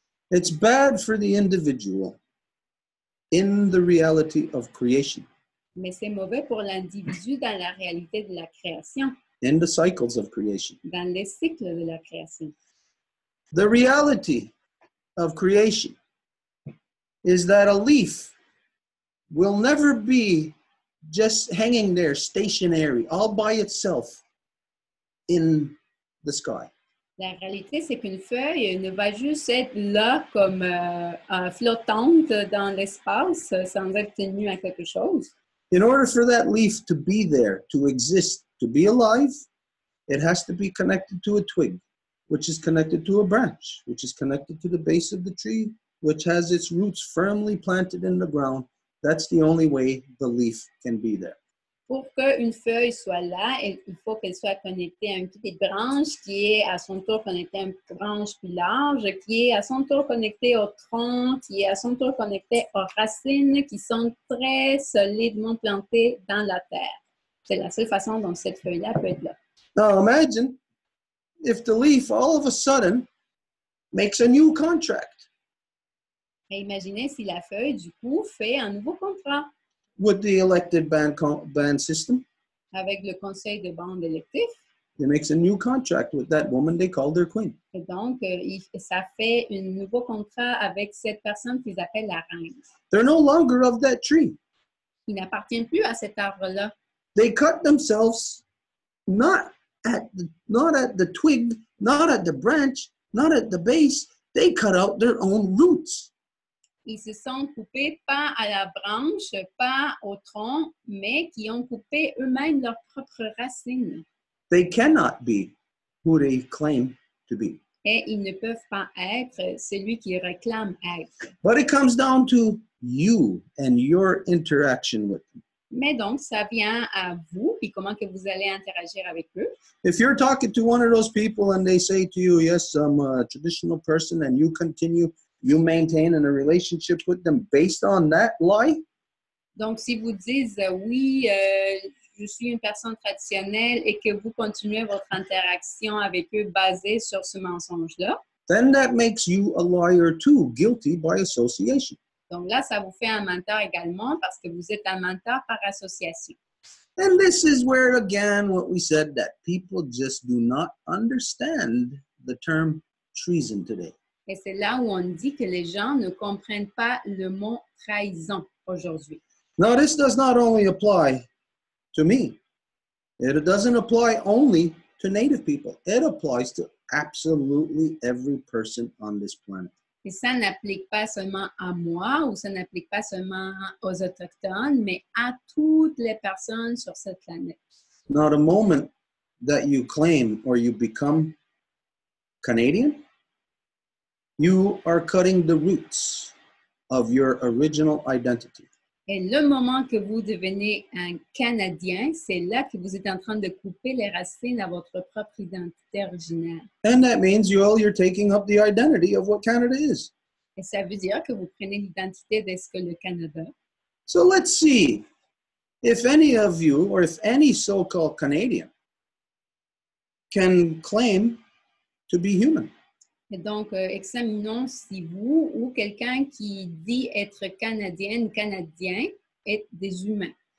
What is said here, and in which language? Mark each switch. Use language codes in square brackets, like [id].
[en] It's bad for the individual in the reality of creation. [fr] Mais c'est mauvais pour l'individu dans la réalité de la création. [en] In the cycles of creation. [fr] Dans les cycles de la création. [en] The reality of creation is that a leaf will never be just hanging there stationary all by itself in the sky. [fr] La réalité, c'est qu'une feuille ne va juste être là comme flottante dans l'espace sans être tenue à quelque chose. [en] In order for that leaf to be there, to exist, to be alive, it has to be connected to a twig, which is connected to a branch, which is connected to the base of the tree, which has its roots firmly planted in the ground. That's the only way the leaf can be there. [fr] Pour qu'une feuille soit là, il faut qu'elle soit connectée à une petite branche qui est à son tour connectée à une branche plus large, qui est à son tour connectée au tronc, qui est à son tour connectée aux racines qui sont très solidement plantées dans la terre. C'est la seule façon dont cette feuille-là peut être là. [en] Now imagine if the leaf all of a sudden makes a new contract. [fr] Et imaginez si la feuille, du coup, fait un nouveau contrat. [en] With the elected band system. [fr] Avec le conseil de bande électif. [en] He makes a new contract with that woman they call their queen. [fr] Et donc, ça fait un nouveau contrat avec cette personne qu'ils appellent la reine. [en] They're no longer of that tree. [fr] Ils n'appartiennent plus à cet arbre-là. [en] They cut themselves not at the twig, not at the branch, not at the base. They cut out their own roots. [fr] Ils se sont coupés pas à la branche, pas au tronc, mais qui ont coupé eux-mêmes leurs propres racines. [en] They cannot be who they claim to be. [fr] Et ils ne peuvent pas être celui qui réclame être. [en] But it comes down to you and your interaction with them. [fr] Mais donc ça vient à vous puis comment que vous allez interagir avec eux. [en] If you're talking to one of those people and they say to you, "Yes, I'm a traditional person," and you continue, you maintain in a relationship with them based on that lie. [fr] Donc si vous dites oui. Je suis une personne traditionnelle et que vous continuez votre interaction avec eux basée sur ce mensonge-là. [en] Then that makes you a liar too, guilty by association. [fr] Donc là, ça vous fait un menteur également parce que vous êtes un menteur par association. [en] And this is where again what we said that people just do not understand the term treason today. [fr] Et c'est là où on dit que les gens ne comprennent pas le mot trahison aujourd'hui. [en] Now this does not only apply to me. It doesn't apply only to native people. It applies to absolutely every person on this planet. [fr] Et ça n'applique pas seulement à moi ou ça n'applique pas seulement aux autochtones, mais à toutes les personnes sur cette planète. [en] Not a moment that you claim or you become Canadian, you are cutting the roots of your original identity. [fr] Et le moment que vous devenez un Canadien, c'est là que vous êtes en train de couper les racines à votre propre identité originaire. [en] And that means you're taking up the identity of what Canada is. [fr] Et ça veut dire que vous prenez l'identité de ce que le Canada. [en] So let's see if any of you or if any so-called Canadian can claim to be human. [fr] Et donc, examinons si vous ou quelqu'un qui dit être canadienne, canadien, est des humains.